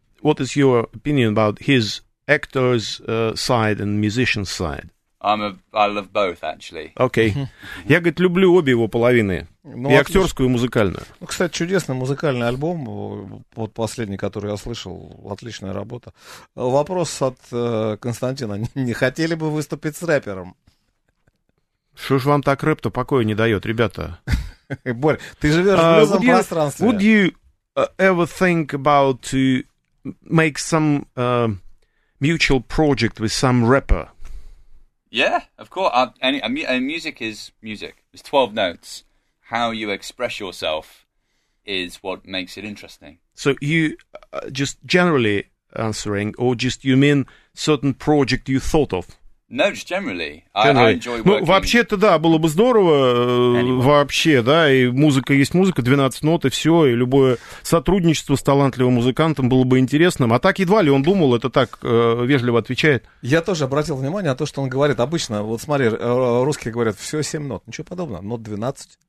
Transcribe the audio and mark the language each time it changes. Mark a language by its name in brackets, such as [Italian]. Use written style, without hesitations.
[English] What is your opinion about his actor's side and musician's side? I love both, actually. Okay. [Russian] Я, говорит, люблю обе его половины. Ну, и актерскую, и музыкальную. Ну, кстати, чудесный музыкальный альбом. Вот последний, который я слышал. Отличная работа. Вопрос от Константина. Не хотели бы выступить с рэпером? Что ж вам так рэп-то покоя не дает, ребята? Борь, ты живешь в блюзовом пространстве. [English] Would you ever think about to make some mutual project with some rapper? Yeah, of course. Music is music. It's 12 notes. How you express yourself is what makes it interesting. So you just generally answering, or just you mean certain project you thought of? No, just generally. Generally. I enjoy working. [Russian] Ну, вообще-то, да, было бы здорово, anyway. Вообще, да, и музыка есть музыка, 12 нот, и все, и любое сотрудничество с талантливым музыкантом было бы интересным. А так едва ли он думал, это так вежливо отвечает. Я тоже обратил внимание на то, что он говорит обычно. Вот смотри, русские говорят, все 7 нот, ничего подобного, нот 12.